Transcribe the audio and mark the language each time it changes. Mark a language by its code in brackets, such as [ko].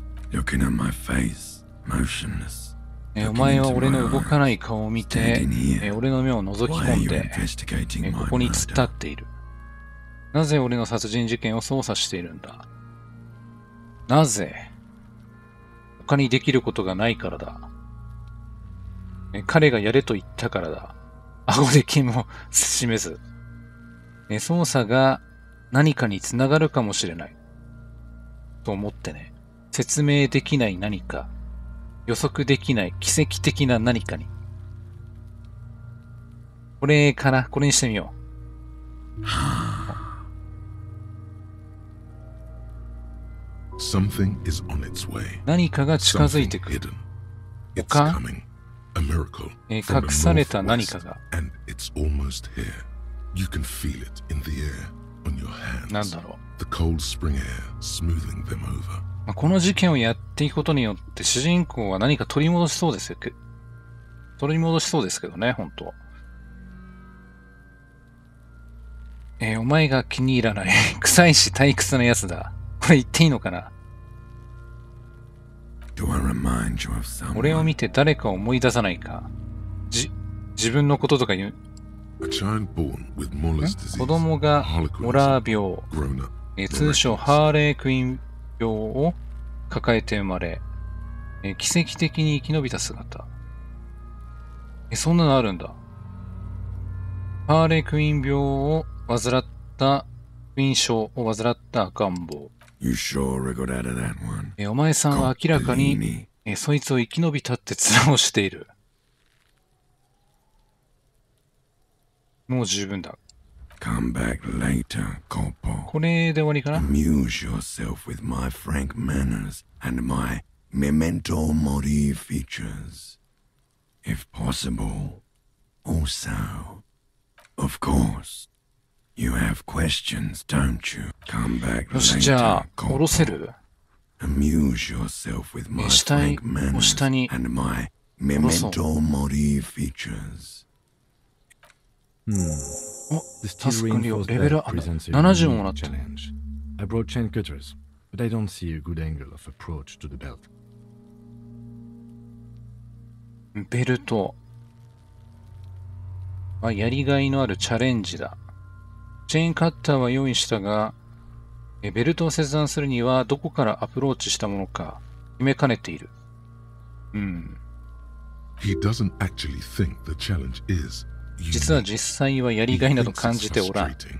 [en] Looking at my face, motionless. [ja] お前は俺の動かない顔を見て、俺の目を覗き込んで、ここに突っ立っている。なぜ俺の殺人事件を捜査しているんだ？なぜ？他にできることがないからだ。彼がやれと言ったからだ。顎で剣も示す。捜査が何かにつながるかもしれない。と思ってね。説明できない何か。予測できない奇跡的な何かに。これかな、これにしてみよう。 [en] Something is on its way. [ja] 何かが近づいてくる。他、隠された何かが。 [en] And it's almost here. You can feel it in the air on your hands. [ja] なんだろう。 [en] The cold spring air smoothing them over. [ja] まあ、この事件をやっていくことによって主人公は何か取り戻しそうですよ。取り戻しそうですけどね、本当。お前が気に入らない。臭いし退屈なやつだ。これ言っていいのかな？ [en] Do I remind you of someone? [ja] 俺を見て誰か思い出さないか。自分のこととか言う。 [en] A child born with Morla's disease. [ja] 子供がモラー病、通称ハーレークイーン病を抱えて生まれ、奇跡的に生き延びた姿。そんなのあるんだ。ハーレークイーン病を患った、クイーン症を患った赤ん坊。 [en] You sure got out of that one. [ja] お前さんは明らかに、そいつを生き延びたって面をしている。もう十分だ。 [en] Come back later, Corpo. [ja] これで終わりかな。 [en] Amuse yourself with my frank manners and my memento mori features. If possible, also, of course, you have questions, don't you? Come back later, [ja] Corpo. じゃあ、殺せる？ [en] Amuse yourself with my frank manners and my memento mori features. [ja] あ、タスクリオレベルアップ70もらった。 [en] I brought chain cutters, but I don't see a good angle of approach to the belt. [ja] ベルト、まあ、やりがいのあるチャレンジだ。チェーンカッターは用意したが、ベルトを切断するにはどこからアプローチしたものか決めかねている。 [en] He doesn't actually think the challenge is... [ja] 実は実際はやりがいなど感じておらん。